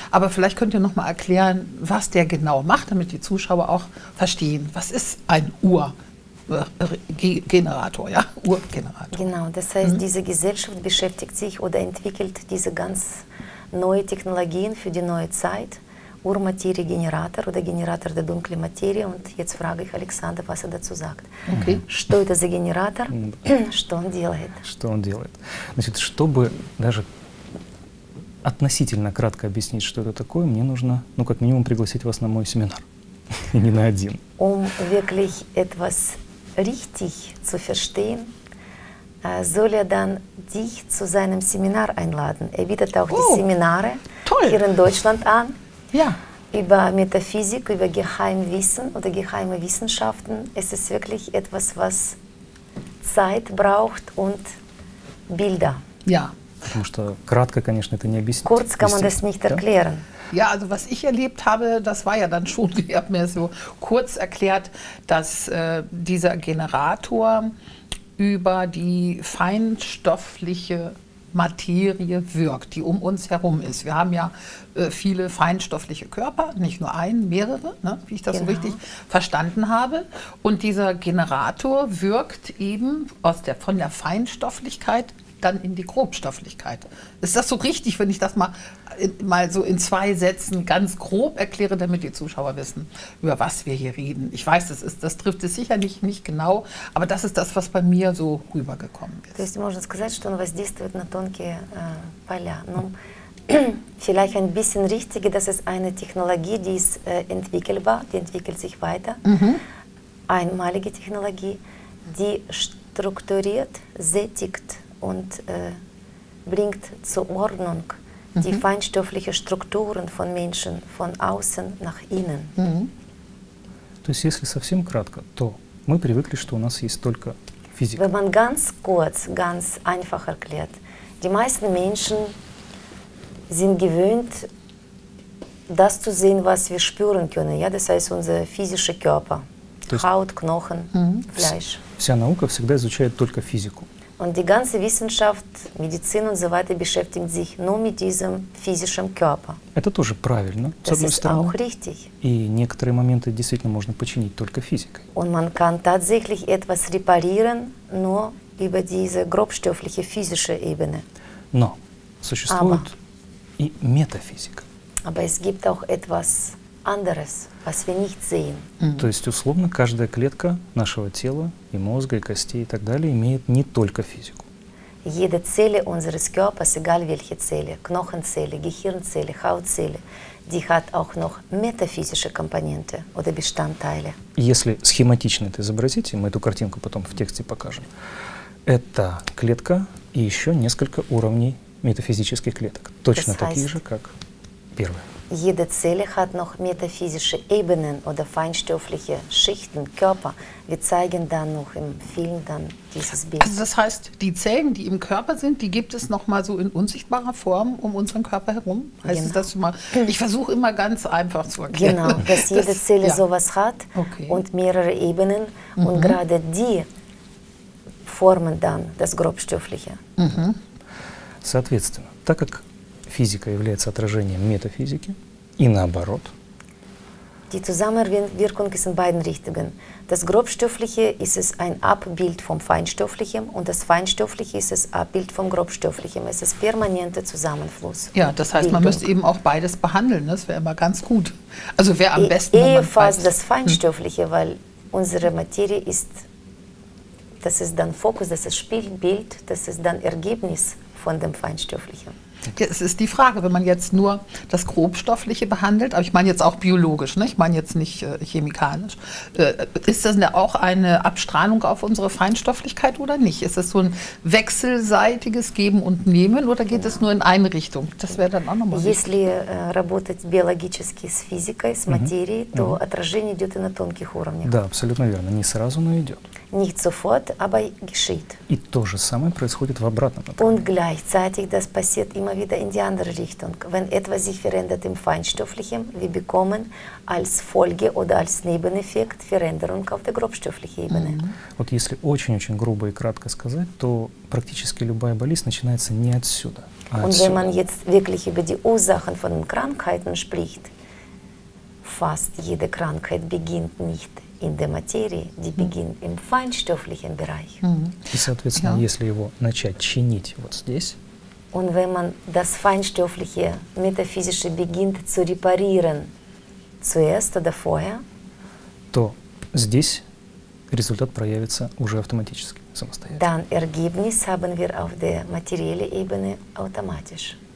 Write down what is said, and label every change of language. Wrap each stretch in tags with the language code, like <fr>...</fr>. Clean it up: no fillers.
<de>Aber vielleicht könnt ihr nochmal erklären, was der genau macht, damit die Zuschauer auch verstehen, was ist ein Urgenerator, ja, Urgenerator. Genau, das heißt, diese Gesellschaft beschäftigt sich oder entwickelt diese ganz neue Technologien für die neue Zeit, Urmateriegenerator oder Generator der dunklen Materie. Und jetzt frage ich Alexander, was er dazu sagt. Okay.</de> <ru>Что это за генератор? Что он делает? Что он делает? Значит, чтобы даже относительно кратко объяснить, что это такое, мне нужно, ну, как минимум, пригласить вас на мой семинар. И не на один.</ru> <de>Um wirklich etwas richtig zu verstehen, soll er dann dich zu seinem Seminar einladen. Er bietet auch die Seminare hier in Deutschland an. Ja. Über Metaphysik, über Geheimwissen oder geheime Wissenschaften. Es ist wirklich etwas, was Zeit braucht und Bilder. Ja.</de> <ru>Потому что кратко, конечно, это не объяснить.</ru> <de>Kurz kann man das nicht erklären. Ja, also was ich erlebt habe, das war ja dann schon, ich habe mir so kurz erklärt, dass dieser Generator über die feinstoffliche Materie wirkt, die um uns herum ist. Wir haben ja viele feinstoffliche Körper, nicht nur einen, mehrere, ne, wie ich das genau so richtig verstanden habe. Und dieser Generator wirkt eben aus der, von der Feinstofflichkeit dann in die Grobstofflichkeit. Ist das so richtig, wenn ich das mal, mal so in zwei Sätzen ganz grob erkläre, damit die Zuschauer wissen, über was wir hier reden? Ich weiß, das, ist, das trifft es sicherlich nicht genau, aber das ist das, was bei mir so rübergekommen ist.</de> <ru>То есть можно сказать, что он воздействует на тонкие поля.</ru> <de>Ну, vielleicht ein bisschen richtig, das ist eine Technologie, die ist entwickelbar, die entwickelt sich weiter. Mhm. Einmalige Technologie, die strukturiert, sättigt und bringt zur Ordnung die mhm. feinstofflichen Strukturen von Menschen von außen nach innen.</de> <ru>То есть, если совсем кратко, то мы привыкли, что у нас есть только физика.</ru> <de>Wenn man ganz kurz, ganz einfach erklärt, die meisten Menschen sind gewöhnt, das zu sehen, was wir spüren können. Ja? Das heißt, unser physischer Körper, Haut, Knochen, Fleisch.</de> <ru>Вся наука всегда изучает только физику.</ru> <de>Und die ganze Wissenschaft, Medizin und so weiter beschäftigt sich nur mit diesem physischen Körper.</de> <ru>Это тоже правильно, с одной стороны.</ru> <de>Das ist auch richtig.</de> <ru>И некоторые моменты действительно можно починить только физикой.</ru> <de>Und man kann tatsächlich etwas reparieren nur über diese grobstoffliche physische Ebene.</de> <ru>Но существует и метафизика.</ru> <de>Aber es gibt auch etwas anderes, was wir nicht sehen.</de> <ru>То есть условно каждая клетка нашего тела и мозга и костей и так далее имеет не только физику.</ru> <de>Jede Zelle unseres Körpers, egal welche Zelle, Knochenzelle, Gehirnzelle, Hautzelle, die hat auch noch metaphysische Komponente oder Bestandteile.</de> <ru>Если схематично это изобразить, мы эту картинку потом в тексте покажем. Это клетка и еще несколько уровней метафизических клеток, точно такие же, как первые.</ru> <de>Jede Zelle hat noch metaphysische Ebenen oder feinstoffliche Schichten, Körper. Wir zeigen dann noch im Film dann dieses Bild. Also das heißt, die Zellen, die im Körper sind, die gibt es noch mal so in unsichtbarer Form um unseren Körper herum? Heißt genau. Das mal? Ich versuche immer ganz einfach zu erklären. Genau, dass jede Zelle ja sowas hat, okay, und mehrere Ebenen. Mhm. Und gerade die formen dann das Grobstoffliche. Mhm.</de> <ru>Соответственно, так как физика является отражением метафизики и наоборот.</ru> <de>Die Zusammenwirkung ist in beiden Richtungen. Das Grobstoffliche ist es ein Abbild vom Feinstofflichen und das Feinstoffliche ist es Abbild vom Grobstofflichen. Es ist permanenter Zusammenfluss. Ja, das heißt, Bildung. Man müsste eben auch beides behandeln. Das wäre immer ganz gut. Also wäre am besten. Ebenfalls das Feinstoffliche, weil unsere Materie ist, das ist dann Fokus, das ist Spielbild, das ist dann Ergebnis von dem Feinstofflichen. Ja, es ist die Frage, wenn man jetzt nur das Grobstoffliche behandelt, aber ich meine jetzt auch biologisch, ne? Ich meine jetzt nicht chemikalisch, ist das denn auch eine Abstrahlung auf unsere Feinstofflichkeit oder nicht? Ist das so ein wechselseitiges Geben und Nehmen oder geht es nur in eine Richtung? Das wäre dann auch nochmal wichtig.</de> <ru>Если работать биологически с физикой, с материей, то отражение идет и на тонких уровнях. Да, абсолютно верно. Не сразу, но идет.</ru> <de>Nicht sofort, aber geschieht.</de> <ru>И то же самое происходит в обратном направлении.</ru> <de>Und gleichzeitig das passiert immer wieder in die andere Richtung. Wenn etwas sich verändert im Feinstofflichen, wir bekommen als Folge oder als Nebeneffekt Veränderung auf der grobstofflichen Ebene.</de> <ru>Вот если очень-очень грубо и кратко сказать, то практически любая болезнь начинается не отсюда, а отсюда.</ru> <de>Und wenn man jetzt wirklich über die Ursachen von Krankheiten spricht, fast jede Krankheit beginnt nicht in der Materie, die beginnt im feinstofflichen Bereich.</de> <ru>И, соответственно, если его начать чинить вот здесь.</ru> <de>Und wenn man das Feinstoffliche, Metaphysische beginnt zu reparieren, zuerst oder vorher,</de> <ru>то здесь результат проявится уже автоматически, самостоятельно.</ru> <de>Dann Ergebnis haben wir auf der materiellen Ebene automatisch.</de>